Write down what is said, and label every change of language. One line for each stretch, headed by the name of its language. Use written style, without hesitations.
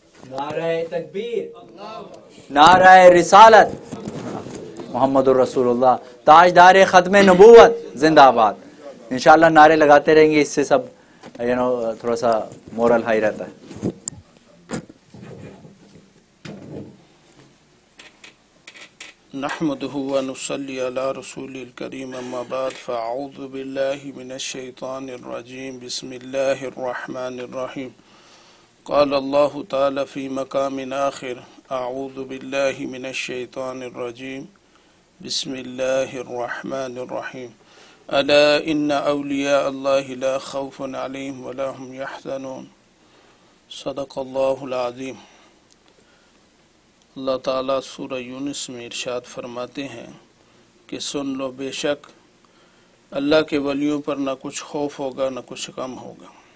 Urdu: نعرہ تکبیر, نعرہ رسالت,
Arabic: محمد الرسول اللہ,
Urdu: تاجدار ختم نبوت, زندہ باد. انشاءاللہ نعرے لگاتے رہیں گے, اس سے سب یعنی تھوڑا سا مورل ہائی رہتا ہے.
Arabic: نحمده و نصلي على رسول الكريم, اما بعد, فاعوذ بالله من الشيطان الرجيم, بسم الله الرحمن الرحيم. قال الله تعالى في مقام آخر, اعوذ بالله من الشيطان الرجيم, بسم الله الرحمن الرحيم. الا ان اولياء الله لا خوف عليهم ولا هم يحزنون. صدق الله العظيم.
Urdu: اللہ تعالیٰ سورہ یونس میں ارشاد فرماتے ہیں کہ سن لو, بے شک اللہ کے ولیوں پر نہ کچھ خوف ہوگا نہ کچھ غم ہوگا.